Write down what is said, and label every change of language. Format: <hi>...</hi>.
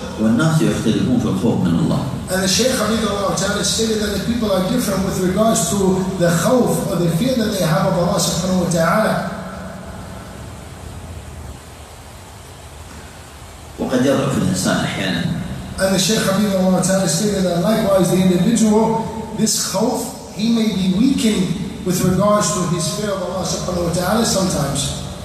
<ar>والناس يختلفون في الخوف من الله</ar> <en>and the Shaykh Habibullah Ta'ala stated that the people are different with regards to the khawf or the fear that they have of Allah subhanahu wa ta'ala</en> <ar>وقد يضعف الإنسان أحيانا</ar> <en>and the Shaykh Habibullah Ta'ala stated that likewise the individual this khawf he may be weakened with regards to his fear of Allah subhanahu wa ta'ala sometimes.</en>